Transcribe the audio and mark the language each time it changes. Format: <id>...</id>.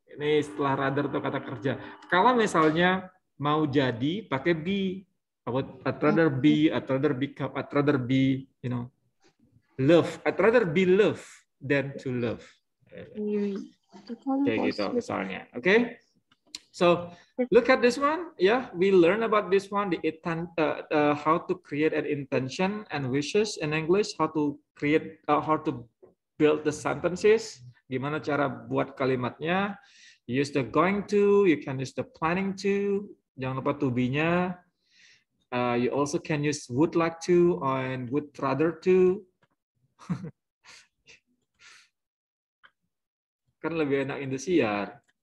<id>Ini setelah rather tuh kata kerja. Kalau misalnya mau jadi, pakai be.</id> <en>I'd rather be, I'd rather become, I'd rather be, you know, love. I'd rather be love than to love.</en> <id>Kayak gitu misalnya.</id> <en>Okay? So, look at this one. Yeah, we learn about this one, the how to create an intention and wishes in English, how to create, how to build the sentences,</en> <id>gimana cara buat kalimatnya.</id> <en>Use the going to, you can use the planning to,</en> <id>jangan lupa</id> <en>to be-nya. You also can use would like to and would rather to.</en> <id>Kan lebih enak Indosiar.</id>